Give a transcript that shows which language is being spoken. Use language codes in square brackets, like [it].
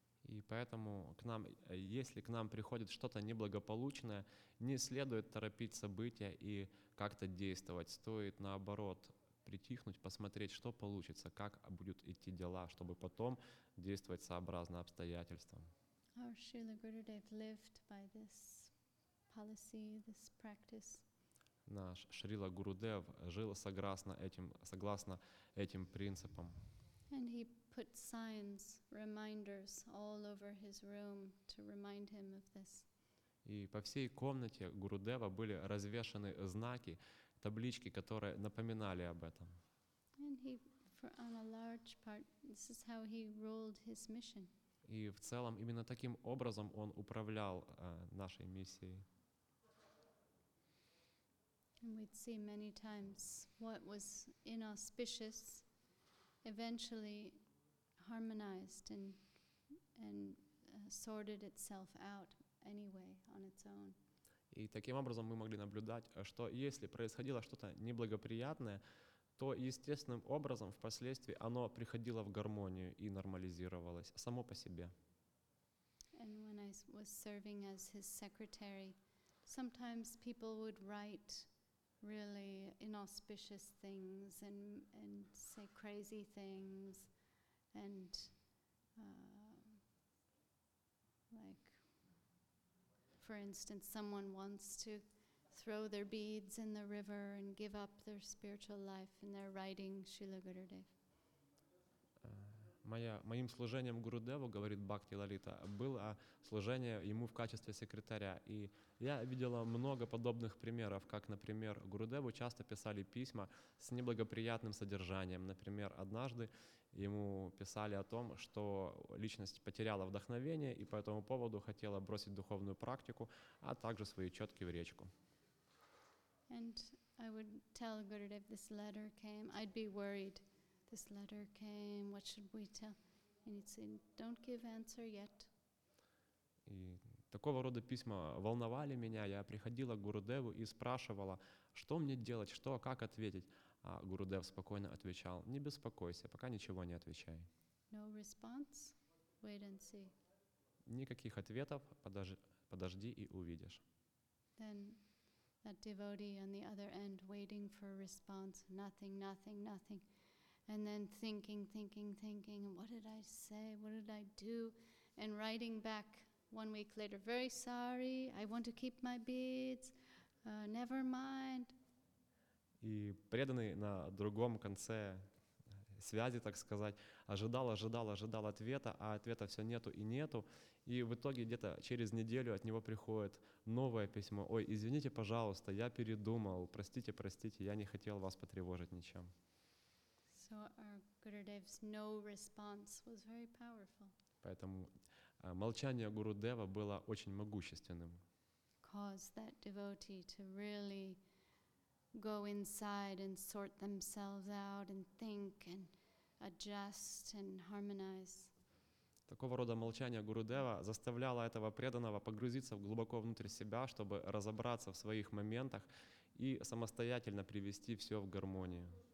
[ru] И поэтому, если к нам приходит что-то неблагополучное, не следует торопить события и как-то действовать. Стоит, наоборот, притихнуть, посмотреть, что получится, как будут идти дела, чтобы потом действовать сообразно обстоятельствам. [en] Our Srila Gurudev lived by this policy, this practice. [ru] Наш Шрила Гурудев жил согласно этим принципам. [en] And he put signs, reminders all over his room to remind him of this. [ru] И по всей комнате Гурудева были развешаны знаки, таблички, которые напоминали об этом. [en] And he, for on a large part, this is how he ruled his mission. [ru] И в целом именно таким образом он управлял нашей миссией. [en] And we'd see many times what was inauspicious eventually harmonized and sorted itself out anyway on its own. [ru] И таким образом мы могли наблюдать, что если происходило что-то неблагоприятное, то естественным образом впоследствии оно приходило в гармонию и нормализировалось само по себе. [en] And when I was serving as his secretary, sometimes people would write really inauspicious things and say crazy things and like, for instance, someone wants to throw their beads in the river and give up their spiritual life and they're writing Śrīla Gurudev. [ru] Моим служением Гурудеву, говорит Бхакти Лалита, было служение ему в качестве секретаря. И я видела много подобных примеров, как, например, Гурудеву часто писали письма с неблагоприятным содержанием. Например, однажды ему писали о том, что личность потеряла вдохновение и по этому поводу хотела бросить духовную практику, а также свои четки в речку. [en] And I would tell Gurudev, this letter came, I'd be worried. This letter came, what should we tell? And he'd say, don't give answer yet. [ru] И такого рода письма волновали меня. Я приходила к Гурудеву и спрашивала, что мне делать, что, как ответить. А Гурудев спокойно отвечал, не беспокойся, пока ничего не отвечай. [en] No response, wait and see. [ru] Никаких ответов, подожди и увидишь. [en] Then that devotee on the other end waiting for a response, nothing, nothing, nothing. And then thinking, thinking, thinking, what did I say? What did I do? And writing back 1 week later, very sorry, I want to keep my beads, never mind. [ru] И преданный на другом конце связи, так сказать, ожидал ответа, а ответа все нету и нету. И в итоге где-то через неделю от него приходит новое письмо. Ой, извините, пожалуйста, я передумал, простите, простите, я не хотел вас потревожить ничем. [en] So our Gurudev's no response was very powerful. [ru] Поэтому молчание Гурудева было очень могущественным. [en] Caused that devotee to really go inside and sort themselves out and think and adjust and harmonize. [ru] Такого рода молчание Гурудева заставляло этого преданного погрузиться глубоко внутрь себя, чтобы разобраться в своих моментах и самостоятельно привести все в гармонию.